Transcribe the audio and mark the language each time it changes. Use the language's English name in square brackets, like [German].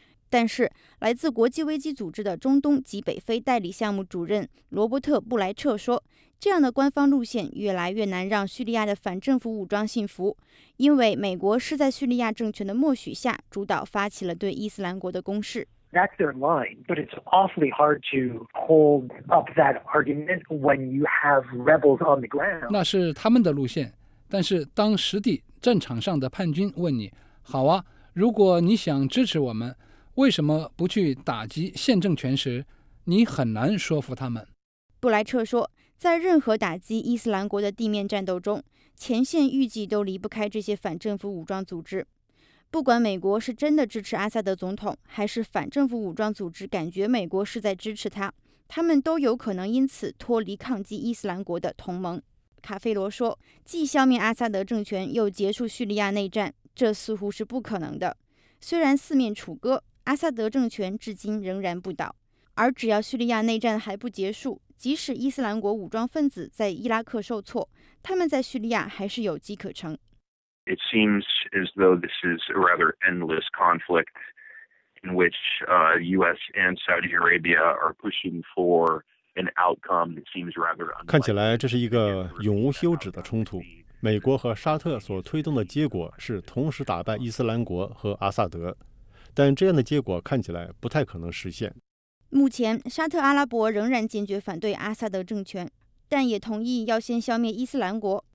[Chinese] 但是，来自国际危机组织的中东及北非代理项目主任罗伯特·布莱彻说，这样的官方路线越来越难让叙利亚的反政府武装信服，因为美国是在叙利亚政权的默许下主导发起了对伊斯兰国的攻势。 [English] That's their line, but it's awfully hard to hold up that argument when you have rebels on the ground. [Chinese] 那是他们的路线，但是当实地战场上的叛军问你，好啊，如果你想支持我们，为什么不去打击现政权时，你很难说服他们。布莱彻说，在任何打击伊斯兰国的地面战斗中，前线预计都离不开这些反政府武装组织。不管美国是真的支持阿萨德总统，还是反政府武装组织感觉美国是在支持他，他们都有可能因此脱离抗击伊斯兰国的同盟。卡费罗说，既消灭阿萨德政权，又结束叙利亚内战，这似乎是不可能的。虽然四面楚歌，阿萨德政权至今仍然不倒，而只要叙利亚内战还不结束，即使伊斯兰国武装分子在伊拉克受挫，他们在叙利亚还是有机可乘。 [English] It seems as though this is a rather endless conflict in which US and Saudi Arabia are pushing for an outcome that seems rather unlikely. [Chinese] 看起来这是一个永无休止的冲突，美国和沙特所推动的结果是同时打败伊斯兰国和阿萨德，但这样的结果看起来不太可能实现。目前，沙特阿拉伯仍然坚决反对阿萨德政权，但也同意要先消灭伊斯兰国。